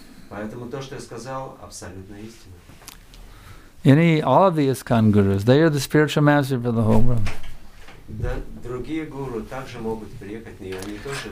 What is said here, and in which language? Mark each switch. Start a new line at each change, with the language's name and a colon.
Russian: Поэтому то, что я сказал, абсолютно истина.
English: All of the ISKCON gurus, they are the spiritual master for the whole world.
Russian: Да, другие гуру также могут приехать, но они тоже.